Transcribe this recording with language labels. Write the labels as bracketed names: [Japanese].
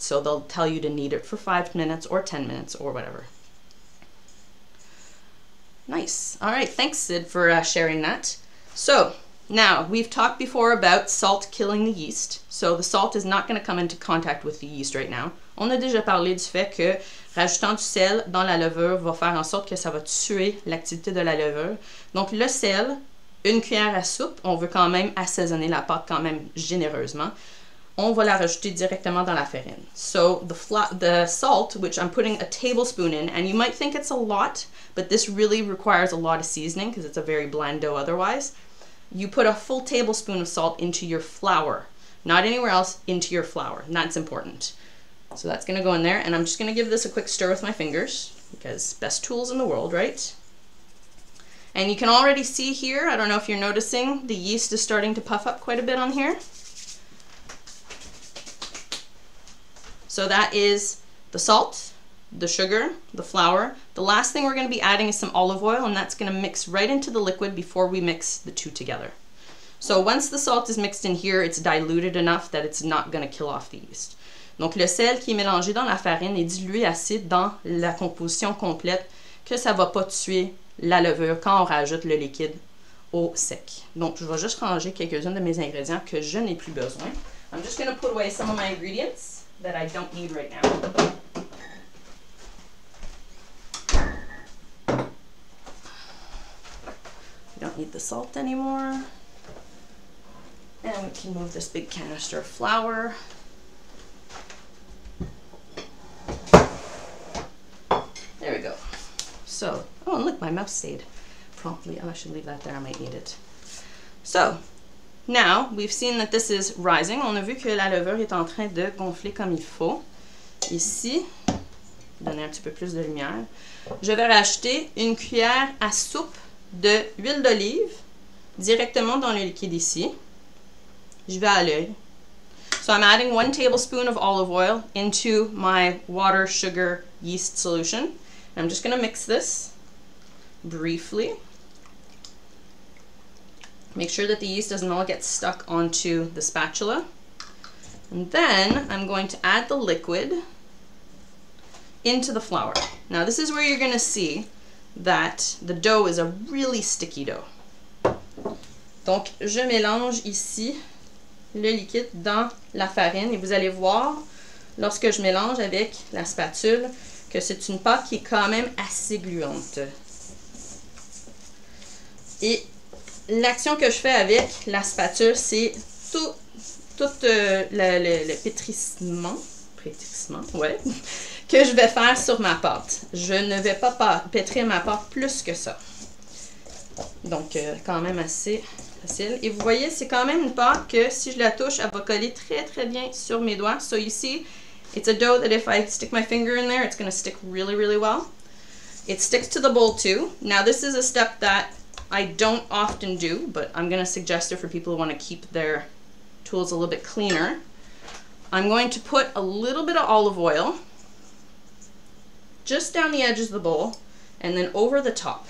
[English] So they'll tell you to knead it for 5 minutes or 10 minutes or whatever. Nice. All right. Thanks, Sid, for sharing that. So now we've talked before about salt killing the yeast. So the salt is not going to come into contact with the yeast right now. [French] On a déjà parlé du fait que rajoutant du sel dans la levure va faire en sorte que ça va tuer l'activité de la levure. Donc le sel, une cuillère à soupe, on veut quand même assaisonner la pâte quand même généreusement. On va la rajouter directement dans la farine. [English] So the salt, which I'm putting a tablespoon in, and you might think it's a lot, but this really requires a lot of seasoning because it's a very bland dough otherwise. You put a full tablespoon of salt into your flour, not anywhere else, into your flour, and that's important. So that's gonna go in there, and I'm just gonna give this a quick stir with my fingers because best tools in the world, right? And you can already see here, I don't know if you're noticing, the yeast is starting to puff up quite a bit on here. So that is the salt, the sugar, the flour. The last thing we're gonna be adding is some olive oil, and that's gonna mix right into the liquid before we mix the two together. So once the salt is mixed in here, it's diluted enough that it's not gonna kill off the yeast. [French] Donc le sel qui est mélangé dans la farine est dilué assez dans la composition complète que ça va pas tuer la levure quand on rajoute le liquide au sec. Donc, je vais juste ranger quelques-uns de mes ingrédients que je n'ai plus besoin. [English] I'm just going to put away some of my ingredients that I don't need right now. I don't need the salt anymore. we can move this big canister of flour. There we go. So, oh, and look, my mouse stayed promptly. Oh, I should leave that there. I might need it. So, now we've seen that this is rising. [French] On a vu que la levure est en train de gonfler comme il faut. Ici, donner un petit peu plus de lumière. Je vais racheter une cuillère à soupe de huile d'olive directement dans le liquide ici. Je vais à l'œil. [English] So I'm adding 1 tablespoon of olive oil into my water, sugar, yeast solution. I'm just going to mix this briefly. Make sure that the yeast doesn't all get stuck onto the spatula. And then I'm going to add the liquid into the flour. Now this is where you're going to see that the dough is a really sticky dough. [French] Donc je mélange ici le liquide dans la farine et vous allez voir lorsque je mélange avec la spatule que c'est une pâte qui est quand même assez gluante. Et l'action que je fais avec la spatule, c'est tout le pétrissement, ouais, que je vais faire sur ma pâte. Je ne vais pas pétrir ma pâte plus que ça. Donc, quand même assez facile. Et vous voyez, c'est quand même une pâte que si je la touche, elle va coller très, très bien sur mes doigts. [English] So you see, it's a dough that if I stick my finger in there, it's going to stick really, really well. It sticks to the bowl too. Now, this is a step that I don't often do, but I'm going to suggest it for people who want to keep their tools a little bit cleaner. I'm going to put a little bit of olive oil just down the edges of the bowl and then over the top.